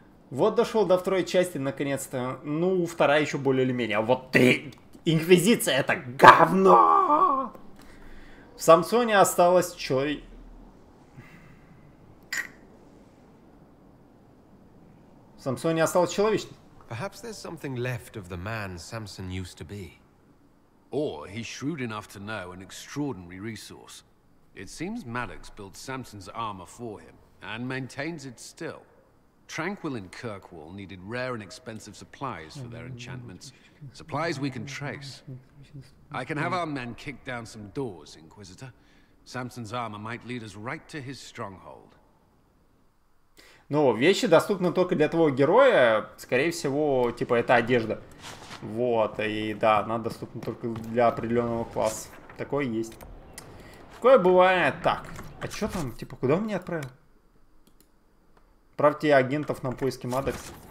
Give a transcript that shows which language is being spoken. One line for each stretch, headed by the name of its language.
Russian: Вот дошел до второй части, наконец-то. Ну, вторая еще более или менее. А вот ты! Инквизиция — это говно! В Самсоне осталось человек... В Самсоне осталось человечество.
English: Perhaps there's something left of the man Samson used to be. Or he's shrewd enough to know an extraordinary resource. It seems Maddox built Samson's armor for him and maintains it still. Tranquil and Kirkwall needed rare and expensive supplies for their enchantments. Supplies we can trace. I can have our men kick down some doors, Inquisitor. Samson's armor might lead us right to his stronghold.
Russian: Ну, вещи доступны только для твоего героя. Скорее всего, типа, это одежда. Вот, и да, она доступна только для определенного класса. Такое есть. Такое бывает. Так, а что там? Типа, куда он меня отправил? Отправьте агентов на поиски Маддокс.